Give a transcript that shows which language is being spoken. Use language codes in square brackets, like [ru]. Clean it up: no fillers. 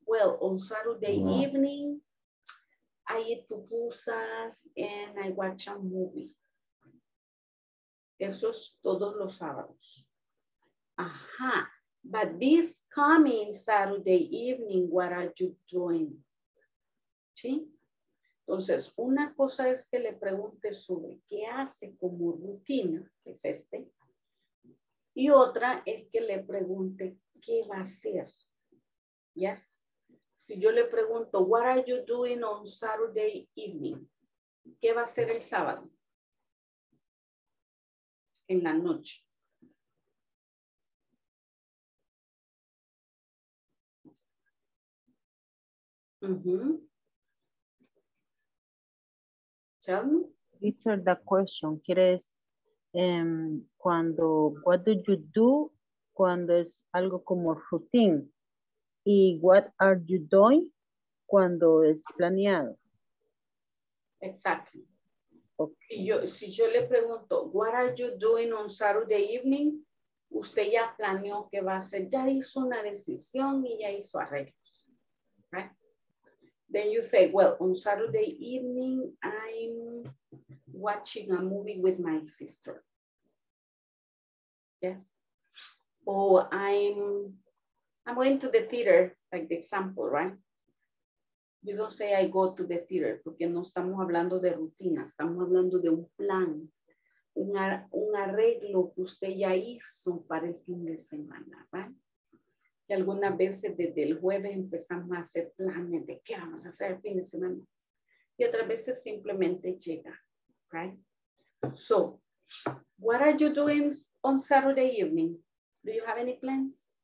[en] Well, on Saturday evening, I eat pupusas and I watch a movie. [es] Eso es todos los sábados. Ajá. [en] But this coming Saturday evening, what are you doing? [es] ¿Sí? Entonces, una cosa es que le pregunte sobre qué hace como rutina, que es este. Y otra es que le pregunte qué va a hacer. [en] Yes. [es] Si yo le pregunto, [en] what are you doing on Saturday evening? [es] ¿Qué va a hacer el sábado? En la noche. [en] Teacher, the question, [es] ¿quieres cuando, [en] what do you do [es] cuando es algo como [en] routine? [es] ¿Y [en] what are you doing [es] cuando es planeado? [en] Exactly. Okay. [es] Si yo le pregunto, [en] what are you doing on Saturday evening? [es] Usted ya planeó qué va a hacer, ya hizo una decisión y ya hizo arreglos. [en] Right? Then you say, well, on Saturday evening, I'm watching a movie with my sister. Yes. Or I'm going to the theater, like the example, right? You don't say I go to the theater, [es] porque no estamos hablando de rutina, estamos hablando de un plan, un arreglo que usted ya hizo para el fin de semana, right? Y algunas veces desde el jueves empezamos a hacer planes de qué vamos a hacer el fin de semana. Y otras veces simplemente llega, right? [en] So, what are you doing on Saturday evening? Do you have any plans?